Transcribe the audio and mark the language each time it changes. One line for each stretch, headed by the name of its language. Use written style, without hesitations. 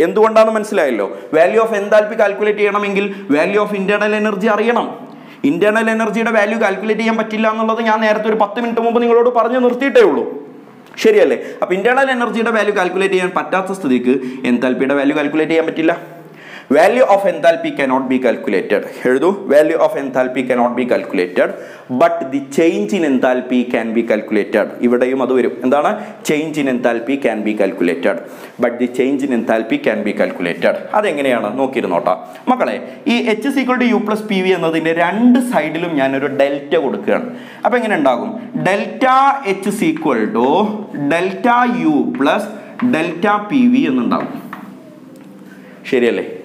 Malayalam: എന്തുകൊണ്ടാണ് മനസ്സിലായല്ലോ. Value of enthalpy calculate ചെയ്യണമെങ്കിൽ വാല്യൂ ഓഫ് ഇന്റേണൽ എനർജി അറിയണം. ഇന്റേണൽ എനർജിയുടെ വാല്യൂ കാൽക്കുലേറ്റ് ചെയ്യാൻ പറ്റില്ല എന്നുള്ളത് ഞാൻ നേരത്തെ ഒരു 10 മിനിറ്റ് മുമ്പ് നിങ്ങളോട് പറഞ്ഞു നിർത്തിയിട്ടേ ഉള്ളൂ, ശരിയല്ലേ? അപ്പോൾ ഇന്റേണൽ എനർജിയുടെ വാല്യൂ കാൽക്കുലേറ്റ് ചെയ്യാൻ പറ്റാത്ത സ്ഥിതിക്ക് എൻതാൽപിയുടെ വാല്യൂ കാൽക്കുലേറ്റ് ചെയ്യാൻ പറ്റില്ല.
English: Value of enthalpy cannot be calculated.
Malayalam: എഴുതു,
English: value of enthalpy cannot be calculated. But the change in enthalpy can be calculated.
Malayalam: ഇവിടെയും അത് വരും. എന്താണ്?
English: Change in enthalpy can be calculated. But the change in enthalpy can be calculated.
Malayalam: അതെങ്ങനെയാണ് നോക്കിയിരുന്നോട്ടാ മക്കളെ. ഈ
English: H equal to U plus P V
Malayalam: എന്നതിൻ്റെ രണ്ട് സൈഡിലും ഞാനൊരു ഡെൽറ്റ കൊടുക്കുകയാണ്. അപ്പം എങ്ങനെ ഉണ്ടാകും?
English: delta H is equal to delta U plus delta P V
Malayalam: എന്നുണ്ടാകും, ശരിയല്ലേ?